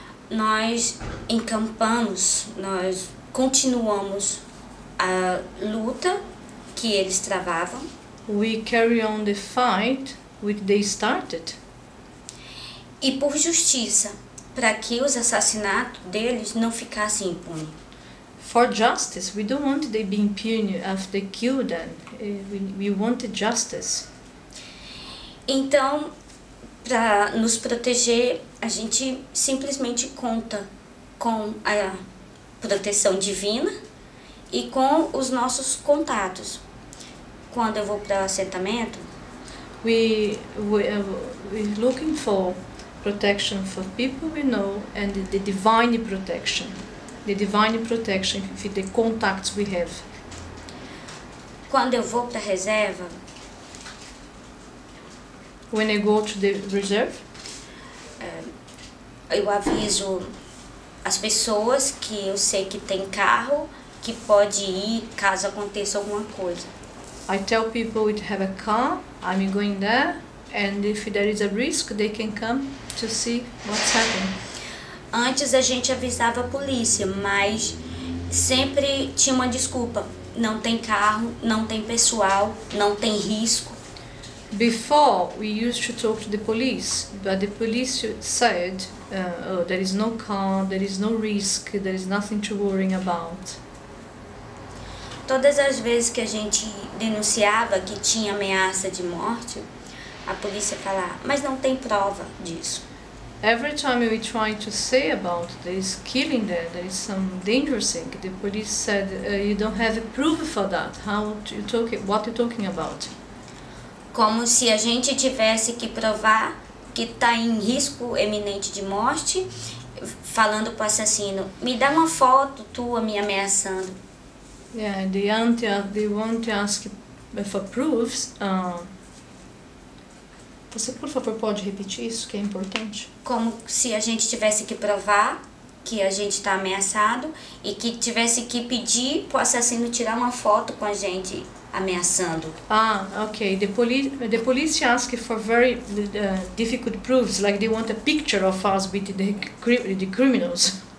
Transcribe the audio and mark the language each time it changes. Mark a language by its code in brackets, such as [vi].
[pt] nós encampamos, nós continuamos a luta que eles travavam. [en] We carry on the fight which they started. [pt] E por justiça, para que os assassinatos deles não ficassem impunes. [en] For justice, we don't want they be impunity after they kill them. We want justice. [pt] Então, para nos proteger, a gente simplesmente conta com a proteção divina e com os nossos contatos. Quando eu vou para o assentamento, [en] We're looking for protection for people we know and the divine protection. The divine protection for the contacts we have. [pt] quando eu vou para a reserva, [en] When I go to the reserve, [pt] eu aviso as pessoas que eu sei que tem carro, que pode ir caso aconteça alguma coisa. [en] I tell people we have a car, I'm going there, and if there is a risk, they can come to see what's happening. [pt] Antes a gente avisava a polícia, mas sempre tinha uma desculpa. Não tem carro, não tem pessoal, não tem risco. [en] Before we used to talk to the police, but the police said, "Oh, there is no car, there is no risk, there is nothing to worry about." [pt] Todas as vezes que a gente denunciava que tinha ameaça de morte, a polícia falava, mas não tem prova disso. [en] Every time we try to say about this killing there is some dangerous thing, the police said, "You don't have a proof for that. How you talking? What you talking about?" [pt] Como se a gente tivesse que provar que está em risco iminente de morte, falando para o assassino, me dá uma foto tua me ameaçando. [en] Yeah, they want to ask for proofs. [pt] Você, por favor, pode repetir isso que é importante? Como se a gente tivesse que provar que a gente está ameaçado e que tivesse que pedir para o assassino tirar uma foto com a gente ameaçando. [en] Ah, okay. The police ask for very difficult proofs, like they want a picture of us with the criminals.